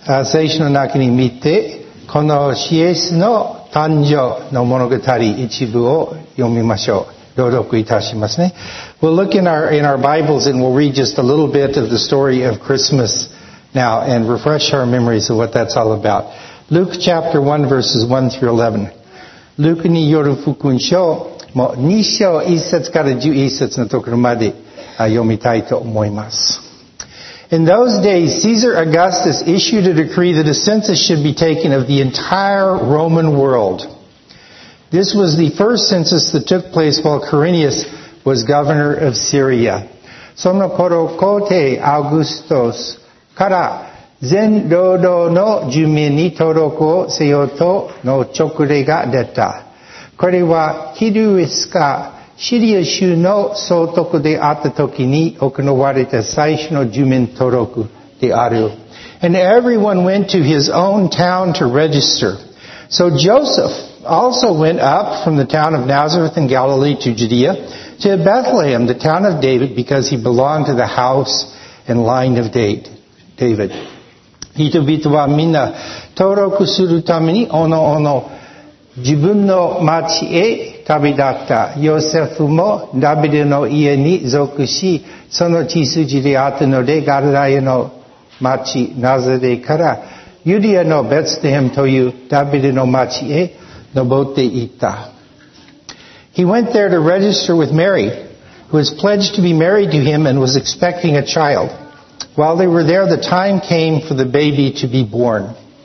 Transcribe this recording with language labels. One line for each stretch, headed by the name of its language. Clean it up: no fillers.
Japanese: 聖書の中に見てこのイエスの誕生の物語一部を読みましょう。
English: We'll look in our Bibles and we'll read just a little bit of the story of Christmas now and refresh our memories of what that's all about. Luke chapter 1 verses 1 through 11.
Japanese: Luke による福音書も2章1節から11節のところまで読みたいと思います。
English: In those days, Caesar Augustus issued a decree that a census should be taken of the entire Roman world. This was the first census that took place while Quirinius was governor of Syria.
Japanese: その頃、皇帝アウグストスから全労働の住民に登録をせよとの勅令が出た。これはキリウスかシリア州の総督であった時に行われた最初の住民登録である。
English: And everyone went to his own town to register. So Joseph also went up from the town of Nazareth in Galilee to Judea, to Bethlehem, the town of David, because he belonged to the house and line of David.
Japanese: 人々はみんな登録するためにおのおの自分の町へ旅立った。ヨセフもダビデの家に属し、その血筋であったのでガリラヤの町ナザレからユダヤのベツレヘムというダビデの町へ
English: He went there to register with Mary, who was pledged to be married to him and was expecting a child. While they were there, the time came for the baby to be born.